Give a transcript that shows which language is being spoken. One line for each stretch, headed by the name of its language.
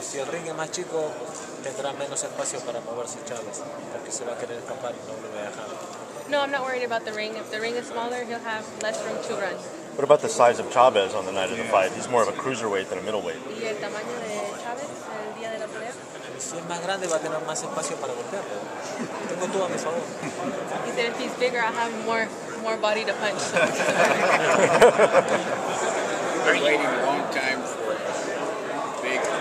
Spanish: Si el ring es más chico, tendrá menos espacio para moverse Chavez, porque se va a querer escapar y no lo voy a dejar.
English: No, I'm not worried about the ring. If the ring is smaller, he'll have less room to run. What about the size of Chavez on the night of the fight? He's more of a cruiserweight than a middleweight.
Spanish: ¿Y el tamaño de Chavez el día de la pelea? Si es más grande, va a tener más espacio para golpearlo. Tengo todo a mi favor.
English: He said if he's bigger, I'll have more body to punch. We've been waiting a long time for big